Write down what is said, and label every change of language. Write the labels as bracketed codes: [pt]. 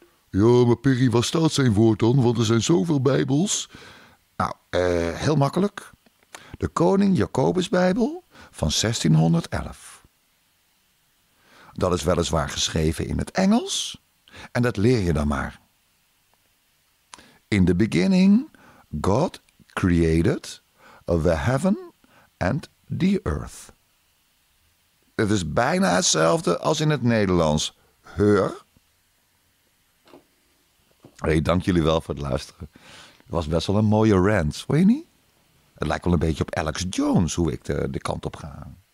[nl] Ja, maar Piri, waar staat zijn woord dan? Want er zijn zoveel Bijbels. Nou, heel makkelijk. De Koning Jacobus Bijbel van 1611. Dat is weliswaar geschreven in het Engels. En dat leer je dan maar. [en] In the beginning, God created the heaven and the earth. [nl] Het is bijna hetzelfde als in het Nederlands. Heur. Hey, dank jullie wel voor het luisteren. Het was best wel een mooie rant, weet je niet? Het lijkt wel een beetje op Alex Jones hoe ik de kant op ga.